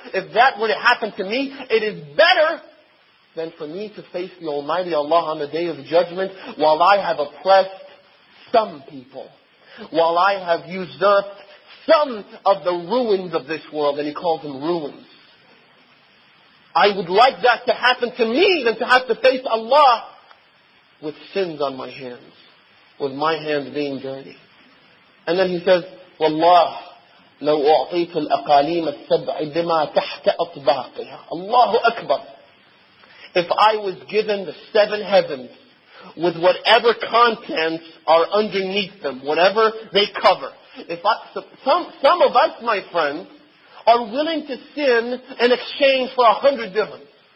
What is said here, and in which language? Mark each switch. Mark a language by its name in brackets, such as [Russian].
[English] If that were to happen to me, it is better than for me to face the Almighty Allah on the Day of Judgment while I have oppressed some people, while I have usurped some of the ruins of this world, and he calls them ruins. I would like that to happen to me than to have to face Allah with sins on my hands, with my hands being dirty. And then he says, Wallah, [Arabic] لو أعطيت الأقاليم السبع بما تحت أطباقها. Allahu Akbar. [English] If I was given the seven heavens with whatever contents are underneath them, whatever they cover. Some of us, my friends, are willing to sin in exchange for 100 dirhams.